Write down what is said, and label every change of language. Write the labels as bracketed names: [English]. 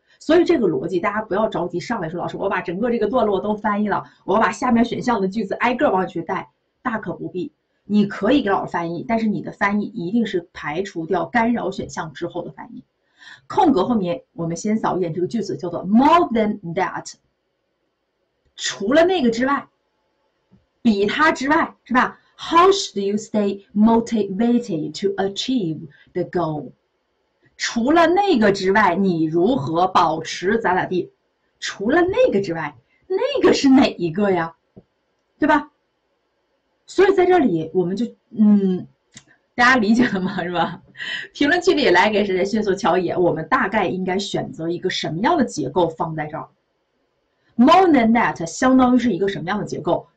[Chinese] 所以这个逻辑，大家不要着急上来说，老师，我把整个这个段落都翻译了，我把下面选项的句子挨个往里去带，大可不必。你可以给老师翻译，但是你的翻译一定是排除掉干扰选项之后的翻译。空格后面，我们先扫一眼这个句子，叫做 [English] more than that， [Chinese] 除了那个之外，比它之外，是吧？ [English] How should you stay motivated to achieve the goal？ [Chinese] 除了那个之外，你如何保持咋咋地？除了那个之外，那个是哪一个呀？对吧？所以在这里，我们就大家理解了吗？是吧？评论区里来给谁的迅速敲一眼，我们大概应该选择一个什么样的结构放在这儿？ [English] More than that [Chinese] 相当于是一个什么样的结构？